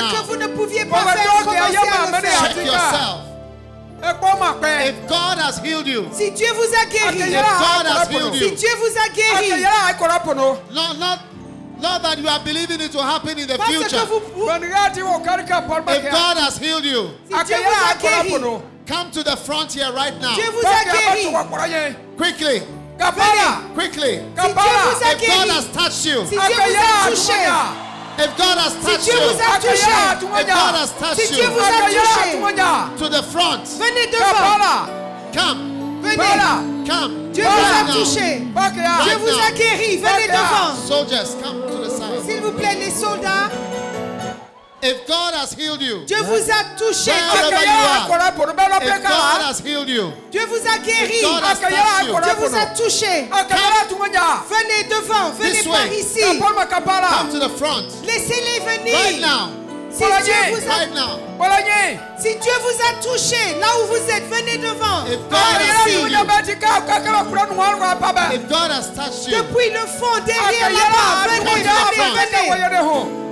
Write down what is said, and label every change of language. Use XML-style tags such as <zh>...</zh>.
<fr>Ce que vous ne pouviez pas faire, commencez à le faire.</fr> <en>Check yourself. If God has healed you,</en> <fr>si Dieu vous a guéri, si Dieu vous a guéri,</fr> <en>not that you are believing it will happen in the future. If God has healed you,</en> <fr>si Dieu vous a guéri,</fr> <en>come to the front here right now.</en> <fr>Dieu vous a guéri.</fr> <en>Quickly. Kapala. Quickly. Kapala. If God has touched you,</en> <fr>si Dieu vous a touché.</fr> <en>If God has touched</en> <fr>si</fr> <en>you,</en> <fr>vous a touché,</fr> <en>if God has touched</en> <fr>si</fr> <en>you,</en> <fr>vous a touché,</fr> <en>to the front,</en> <fr>venez devant.</fr> <en>Come,</en> <fr>venez.</fr> <en>Come,</en> <fr>Dieu vous a touché,</fr> <en>right</en> <fr>Dieu vous a guéri, venez devant.</fr> <en>Soldiers, come to the side.</en> <fr>S'il vous plaît, les soldats,</fr> <en>If God has healed you,</en> <fr>Dieu vous a touché.</fr> <en>If God has healed you,</en> <fr>Dieu vous a guéri.</fr> <en>If God has touched you,</en> <fr>Dieu vous a touché.</fr> <en>Come,</en> <fr>venez devant, venez par</fr> <en>way.</en> <fr>Ici.</fr> <en>Come to the front.</en> <fr>Laissez-les venir.</fr> <en>Right now.</en> <fr>Si Dieu vous a,</fr> <en>right now.</en> <fr>Si Dieu vous a touché, là où vous êtes, venez devant.</fr> <en>If God has healed you, if God has touched you,</en> <fr>depuis le fond, derrière là-bas, venez, venez, venez.</fr>